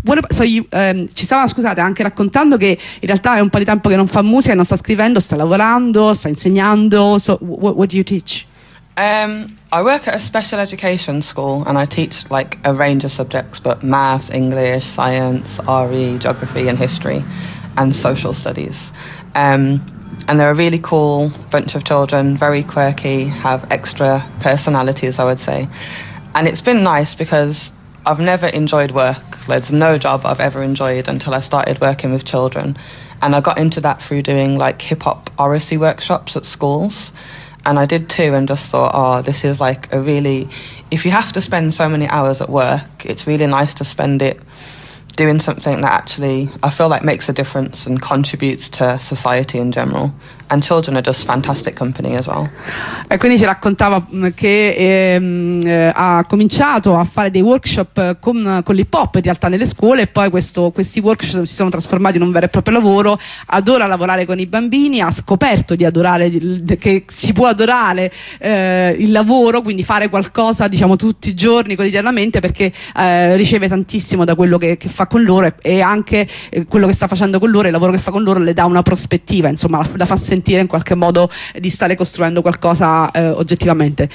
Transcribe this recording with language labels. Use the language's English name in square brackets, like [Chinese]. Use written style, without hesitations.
[Italian] Ci stava, scusate, anche raccontando che in realtà è un po' di tempo che non fa musica, non sta scrivendo, sta lavorando, sta insegnando. [English] So what do you teach? I work at a special education school and I teach, like, a range of subjects, but maths, English, science, RE, geography and history and social studies. And they're a really cool bunch of children, very quirky, have extra personalities, I would say. And it's been nice because I've never enjoyed work. There's no job I've ever enjoyed until I started working with children. And I got into that through doing, like, hip-hop oracy workshops at schools. And I did two and just thought, oh, this is, like, a really... If you have to spend so many hours at work, it's really nice to spend it doing something that actually I feel like makes a difference and contributes to society in general. And children are just fantastic company as well. [Italian] E quindi ci raccontava che ha cominciato a fare dei workshop con l'hip hop in realtà nelle scuole, e poi questi workshop si sono trasformati in un vero e proprio lavoro. Adora lavorare con i bambini, ha scoperto di adorare, che si può adorare il lavoro, quindi fare qualcosa, diciamo, tutti i giorni, quotidianamente, perché riceve tantissimo da quello che fa con loro, e anche quello che sta facendo con loro, il lavoro che fa con loro, le dà una prospettiva, insomma, la fa sentire in qualche modo di stare costruendo qualcosa oggettivamente.